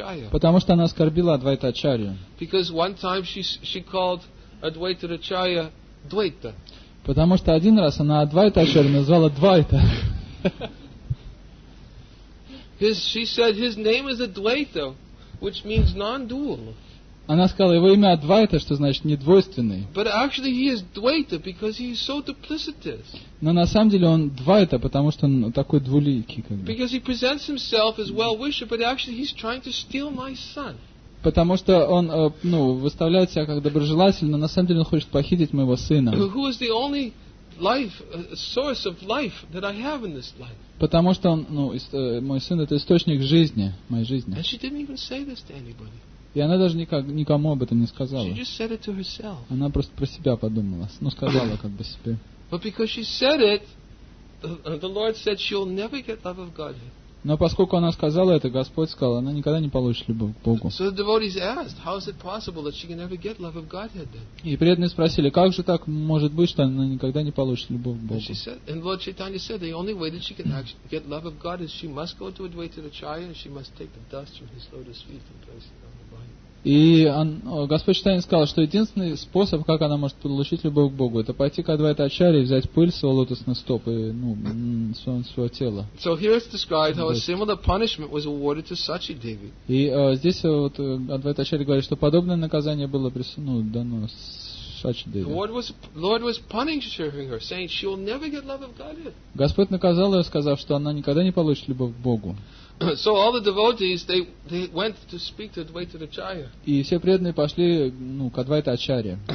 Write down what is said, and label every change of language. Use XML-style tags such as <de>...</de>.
<ru>Потому что она оскорбила Адвайта Ачарью.</ru> <en>Because one time she called Advaita Acharya Dvaita.</en> <ru>Потому что один раз она Адвайта Ачарью назвала Двайта.</ru> <en>She said his name is Advaita, which means non-dual.</en> <ru>Она сказала, его имя Адвайта, что значит недвойственный.</ru> <en>But actually he is Dvaita because he is so duplicitous.</en> <ru>Но на самом деле он Двайта, потому что он такой двуликий. Как бы.</ru> <en>Because he presents himself as well-wisher, but actually he's trying to steal my son.</en> <ru>Потому что он ну, выставляет себя как доброжелатель, но на самом деле он хочет похитить моего сына.</ru> <en>Who is the only life, source of life that I have in this life?</en> <ru>Потому что он, ну, мой сын это источник жизни, моей жизни.</ru> <en>And she didn't even say this to anybody.</en> <ru>И она даже никому об этом не сказала.</ru> <en>She just said it to herself.</en> <ru>Она просто про себя подумала. Ну, сказала как бы себе.</ru> <en>But because she said it, the Lord said she'll never get love of God.</en> <ru>Но поскольку она сказала это, Господь сказал, она никогда не получит любовь к Богу.</ru> <en>So the devotees asked, how is it possible that she can never get love of Godhead then?</en> <ru>И преданные спросили, как же так может быть, что она никогда не получит любовь к Богу?</ru> <en>And Lord Chaitanya said, the only way that she can get love of God is she must go to Advaita Acharya and she must take the dust from his lotus feet and place it on her body.</en> <ru>И Господь Читания сказал, что единственный способ, как она может получить любовь к Богу, это пойти к Адвайта Ачарье и взять пыль с его лотосных стоп и ну, своего тела.</ru> <en>So here it's described how a similar punishment was awarded to Сачи Деви.</en> <ru>И здесь вот Адвайта Ачарье говорит, что подобное наказание было присуну дано Сачи Деви.</ru> <en>Lord was punishing her, saying she will never get love of Godhead.</en> <ru>Господь наказал ее, сказав, что она никогда не получит любовь к Богу.</ru> <en>So all the devotees they went to speak to Advaita Acharya.</en> <ru>И все преданные пошли, ну, к Адвайта Ачарье.</ru>